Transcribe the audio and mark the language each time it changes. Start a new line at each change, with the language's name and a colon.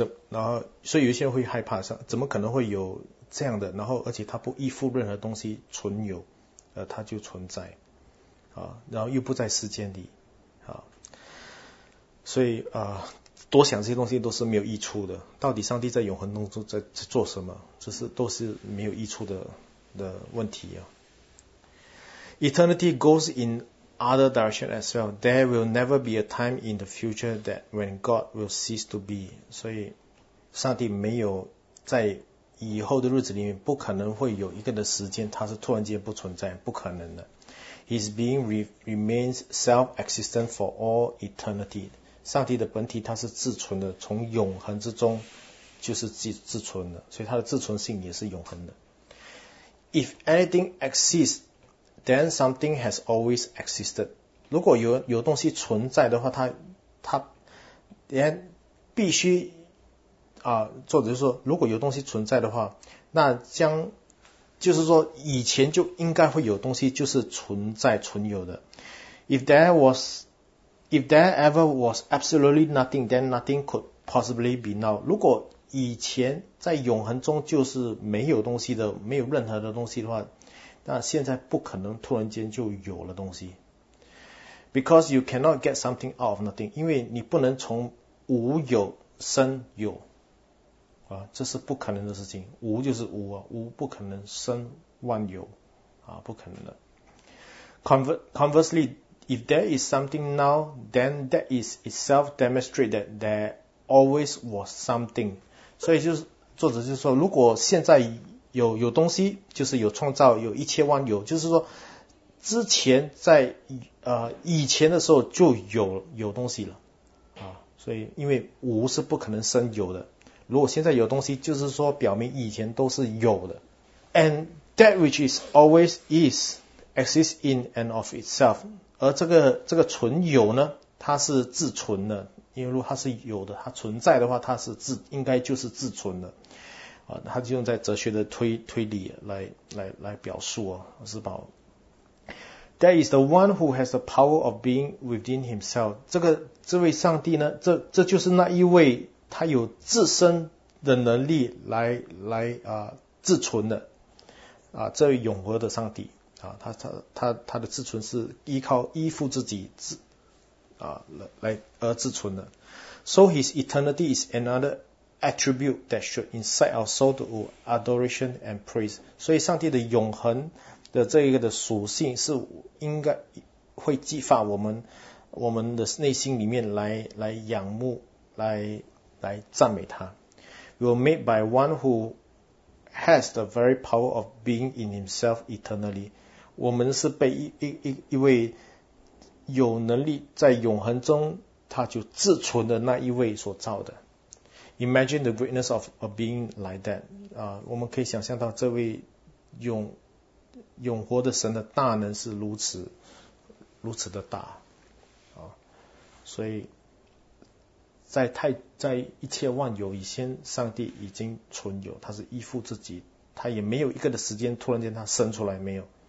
Chinese: 然后所以有些人会害怕，怎么可能会有这样的，然后而且他不依附任何东西存有，他就存在啊，然后又不在时间里啊，所以啊，多想这些东西都是没有益处的，到底上帝在永恒中在做什么，这是都是没有益处的问题啊。
English: Eternity goes in other direction as well. There will never be a time in the future that when God will cease to be.
Chinese: 所以上帝没有在以后的日子里面，不可能会有一个的时间他是突然间不存在，不可能的。
English: His being remains self-existent for all eternity.
Chinese: 上帝的本体他是自存的，从永恒之中就是自存的，所以他的自存性也是永恒的。
English: If anything exists,Then something has always existed.
Chinese: 如果有东西存在的话，它连必须啊，作者就说，如果有东西存在的话，那将就是说以前就应该会有东西就是存在存有的。
English: If there ever was absolutely nothing, then nothing could possibly be now.
Chinese: 如果以前在永恒中就是没有东西的，没有任何的东西的话，那现在不可能突然间就有了东西。
English: Because you cannot get something out of nothing.
Chinese: 因为你不能从无有生有啊，这是不可能的事情。无就是无啊，无不可能生万有啊，不可能的。
English: Conversely, if there is something now, then that is itself demonstrate that there always was something.
Chinese: 所以就是作者就是说，如果现在有东西，就是有创造，有一千万有，就是说之前在以前的时候就有东西了啊。所以因为无是不可能生有的，如果现在有东西，就是说表明以前都是有的。
English: And that which is always is exists in and of itself.
Chinese: 而这个存有呢，它是自存的，因为如果它是有的，它存在的话，它是自应该就是自存的啊，他就用在哲学的推理来表述啊，是吧 ？
English: That is the one who has the power of being within himself.
Chinese: 这位上帝呢，这就是那一位他有自身的能力来啊自存的啊，这位永恒的上帝啊，他的自存是依附自己而自存的。
English: So his eternity is another attribute that should incite our soul to adoration and praise.
Chinese: 所以上帝的永恒的这一个的属性是应该会激发我们的内心里面来仰慕，来赞美他。
English: We are made by one who has the very power of being in himself eternally.
Chinese: 我们是被一位有能力在永恒中他就自存的那一位所造的。
English: Imagine the greatness of a being like that.
Chinese: 我们可以想象到这位永活的神的大能是如此的大啊。所以在一切万有以前，上帝已经存有，他是依附自己，他也没有一个的时间突然间他生出来，没有。